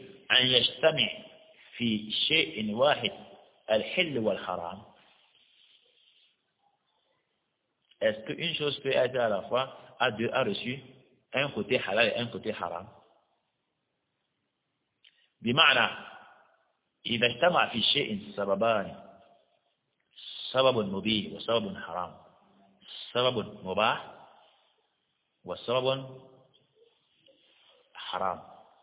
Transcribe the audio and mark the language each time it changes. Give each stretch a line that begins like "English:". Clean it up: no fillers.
Arabic: أن يجتمع في شيء واحد الحل والحرام.
French: Est-ce qu'une chose peut être à la fois à deux, a reçu un côté halal et un côté haram?
Arabic: بمعنى إذا اجتمع في شيء سببان سبب مبيح وسبب حرام سبب مباح وسبب حرام.